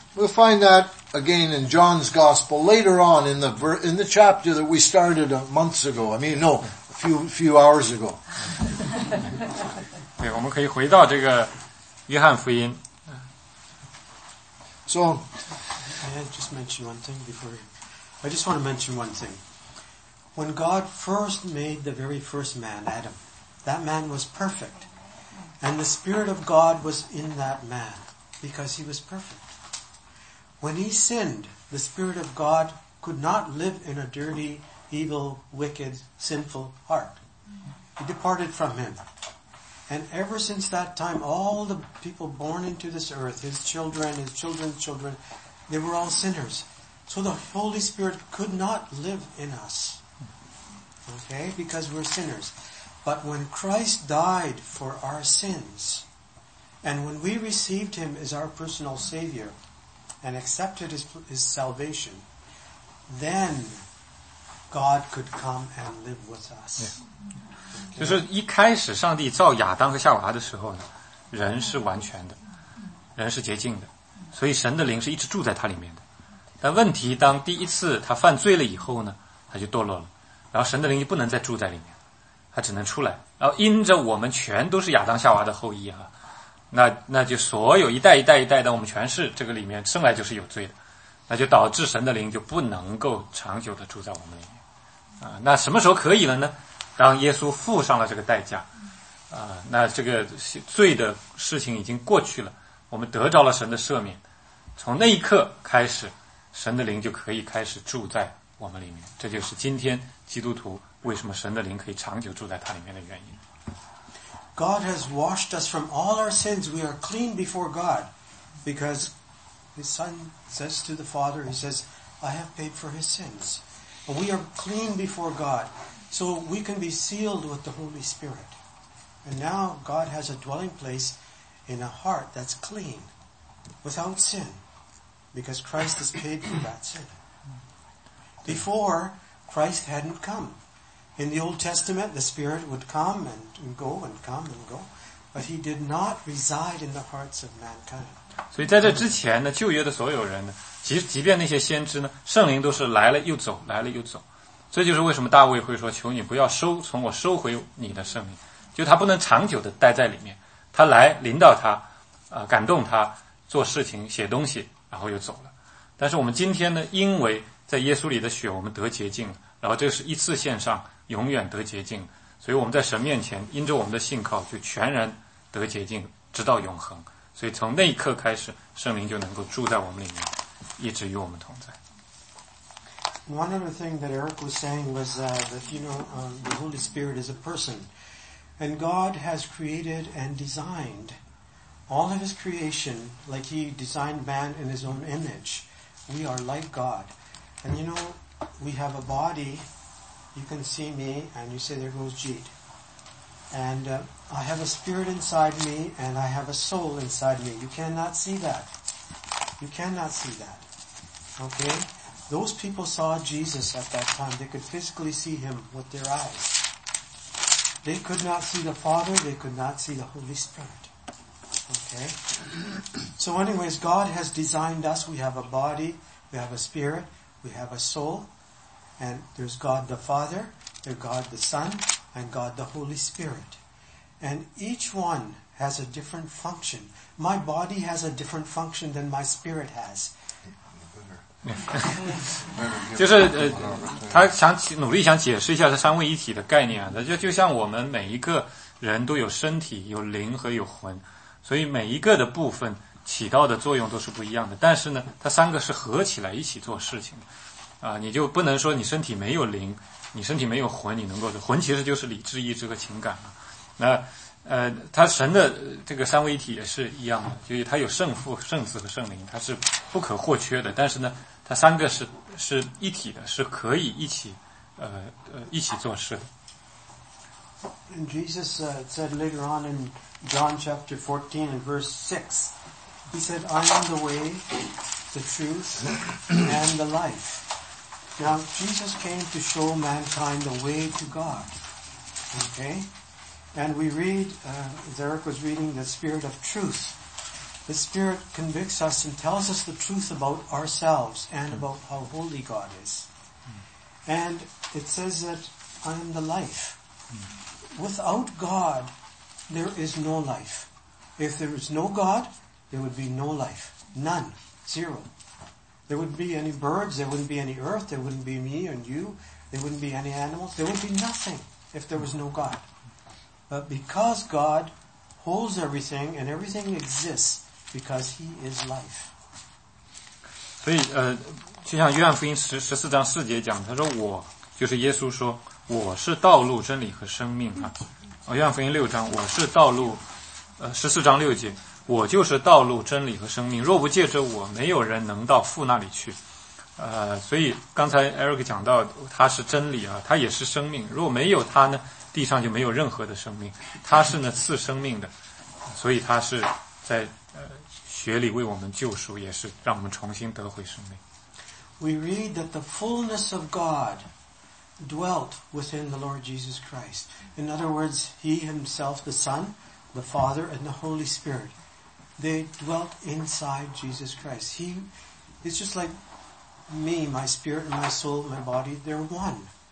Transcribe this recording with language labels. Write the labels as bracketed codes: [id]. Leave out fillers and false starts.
[en] We'll find that again in John's Gospel later on in the chapter that we started months ago. a few hours ago. [zh] 对，我们可以回到这个约翰福音。 [en] So, I just want to mention one thing. When God first made the very first man, Adam, that man was perfect. And the Spirit of God was in that man because he was perfect. When he sinned, the Spirit of God could not live in a dirty, evil, wicked, sinful heart. He departed from him. And ever since that time, all the people born into this earth, his children, his children's children, they were all sinners. So the Holy Spirit could not live in us. Okay? Because we're sinners. But when Christ died for our sins, and when we received him as our personal Savior and accepted his salvation, then God could come and live with us. [zh] Yeah. 就是一开始上帝造亚当和夏娃的时候呢，人是完全的，人是洁净的，所以神的灵是一直住在他里面的。但问题当第一次他犯罪了以后呢，他就堕落了，然后神的灵就不能再住在里面，他只能出来。然后因着我们全都是亚当夏娃的后裔啊，那就所有一代一代一代的，我们全是这个里面生来就是有罪的，那就导致神的灵就不能够长久的住在我们里面啊。那什么时候可以了呢？当耶稣付上了这个代价啊，那这个罪的事情已经过去了，我们得着了神的赦免，从那一刻开始神的灵就可以开始住在我们里面。这就是今天基督徒为什么神的灵可以长久住在他里面的原因。 [en] God has washed us from all our sins. We are clean before God. Because His Son says to the Father, He says, I have paid for His sins. We are clean before God. So we can be sealed with the Holy Spirit. And now God has a dwelling place in a heart that's clean, without sin. Because Christ has paid for that sin. Before, Christ hadn't come. In the Old Testament, the Spirit would come and go and come and go. But He did not reside in the hearts of mankind. [zh] 所以在这之前呢，旧约的所有人呢，即便那些先知呢，圣灵都是来了又走，来了又走。这就是为什么大卫会说，求你不要从我收回你的圣灵。就他不能长久的待在里面。他来，临到他，感动他，做事情，写东西，然后又走了。但是我们今天呢，因为在耶稣里的血，我们得洁净了。然后这是一次献上，永远得洁净，所以我们在神面前因着我们的信靠就全然得洁净，直到永恒。所以从那一刻开始，圣灵就能够住在我们里面，一直与我们同在。 [en] One other thing that Eric was saying was that you know the Holy Spirit is a person, and God has created and designed all of His creation like He designed man in His own image. We are like God, and you know. We have a body, you can see me, and you say, there goes Jeet. And I have a spirit inside me, and I have a soul inside me. You cannot see that. You cannot see that. Okay? Those people saw Jesus at that time. They could physically see Him with their eyes. They could not see the Father, they could not see the Holy Spirit. Okay? So anyways, God has designed us. We have a body, we have a spirit, we have a soul. And there's God the Father, there's God the Son, and God the Holy Spirit. And each one has a different function. My body has a different function than my spirit has. [zh] 就是他想努力想解释一下这三位一体的概念啊，就像我们每一个人都有身体，有灵和有魂，所以每一个的部分起到的作用都是不一样的，但是呢，它三个是合起来一起做事情的。你就不能说你身体没有灵，你身体没有魂，你能够魂其实就是理智、意志和情感啊。那他神的这个三位一体也是一样的，就是他有圣父、圣子和圣灵，他是不可或缺的。但是呢，他三个是一体的，是可以一起做事的。 [en] And Jesus said later on in John chapter 14 and verse 6, He said, "I am the way, the truth, and the life." Now, Jesus came to show mankind the way to God. Okay? And we read, as Eric was reading, the Spirit of Truth. The Spirit convicts us and tells us the truth about ourselves and about how holy God is. And it says that I am the life. Without God, there is no life. If there is no God, there would be no life. None. Zero.There wouldn't be any birds, there wouldn't be any earth, there wouldn't be me and you, There wouldn't be any animals. There would be nothing if there was no God. But because God holds everything and everything exists because He is life. [zh] 所以就像约翰福音14章4节讲，他说我就是耶稣说我是道路真理和生命啊。约翰福音6章我是道路14章6节我就是道路真理和生命，若不借着我没有人能到父那里去。所以刚才 Eric 讲到他是真理啊，他也是生命，若没有他呢地上就没有任何的生命，他是呢赐生命的，所以他是在血里为我们救赎，也是让我们重新得回生命。 [en] We read that the fullness of God dwelt within the Lord Jesus Christ. In other words, He Himself, the Son, the Father, and the Holy Spirit, they dwelt inside Jesus Christ. He, it's just like me, my spirit, and my soul, my body, they're one.